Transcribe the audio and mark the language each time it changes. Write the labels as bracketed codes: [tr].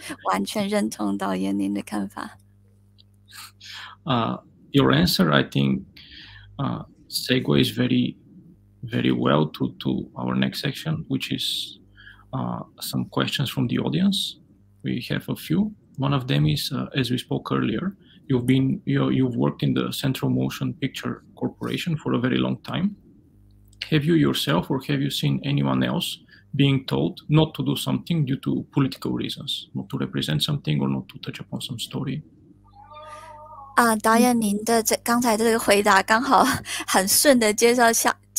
[zh] 完全认同导演您的看法。 [en] Your answer, I think, segues very, very well to our next section, which is some questions from the audience. We have a few. One of them is, as we spoke earlier, you've worked in the Central Motion Picture Corporation for a very long time. Have you yourself or have you seen anyone else being told not to do something due to political reasons, not to represent something or not to touch upon some story? [zh] 导演您的刚才这个回答刚好很顺的介绍下。